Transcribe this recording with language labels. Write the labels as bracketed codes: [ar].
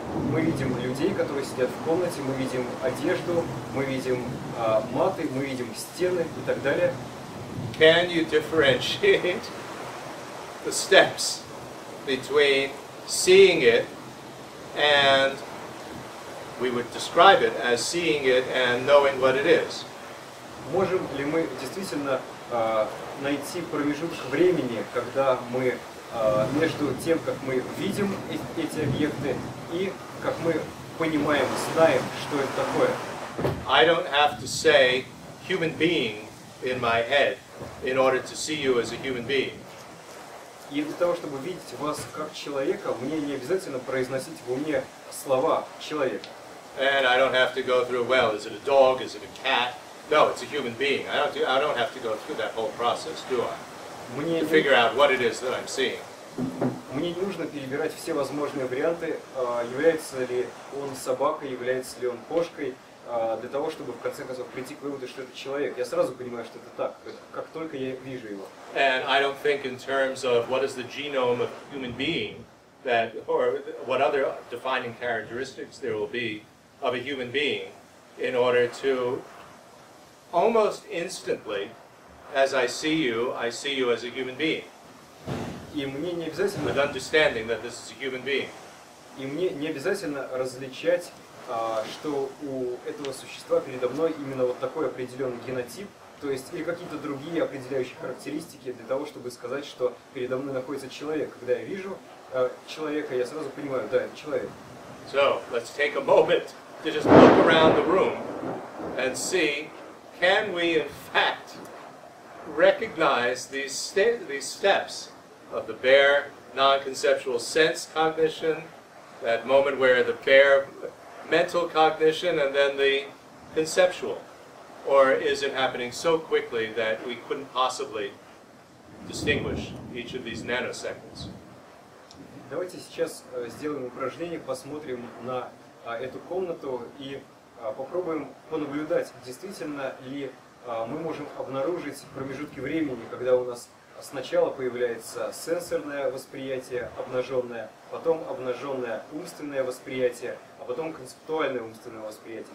[ru] Мы видим людей, которые сидят в комнате, мы видим одежду, мы видим маты, мы видим стены и так далее. [en] Can you differentiate the steps between seeing it and we would describe it as seeing it and knowing what it is? [ru] Можем ли мы действительно найти промежуток времени, когда мы между тем, как мы видим эти объекты, и как мы понимаем, знаем, что это такое? [en] I don't have to say human being in my head in order to see you as a human being. [ru] И для того, чтобы видеть вас как человека, мне не обязательно произносить в уме слова человека. [en] And I don't have to go through, well, is it a dog, is it a cat? No, it's a human being. I don't have to go through that whole process, do I? To figure out what it is that I'm seeing. [ru] Мне не нужно перебирать все возможные варианты, является ли он собакой, является ли он кошкой, для того, чтобы в конце концов прийти к выводу, что это человек. Я сразу понимаю, что это так, как только я вижу его. [en] And I don't think in terms of what is the genome of a human being, that or what other defining characteristics there will be of a human being in order to almost instantly, as I see you as a human being. [ru] И мне не обязательно... [en] With understanding that this is a human being. [ru] И мне не обязательно различать, что у этого существа передо мной именно вот такой определенный генотип, то есть, или какие-то другие определяющие характеристики для того, чтобы сказать, что передо мной находится человек. Когда я вижу человека, я сразу понимаю, да, это человек. [en] So, let's take a moment to just look around the room and see, can we in fact recognize these steps of the bare non-conceptual sense cognition, that moment where the bare mental cognition and then the conceptual, or is it happening so quickly that we couldn't possibly distinguish each of these nanoseconds? [ru] Давайте сейчас сделаем упражнение, посмотрим на эту комнату и попробуем понаблюдать, действительно ли мы можем обнаружить промежутки времени, когда у нас сначала появляется сенсорное восприятие обнаженное, потом обнаженное умственное восприятие, а потом концептуальное умственное восприятие.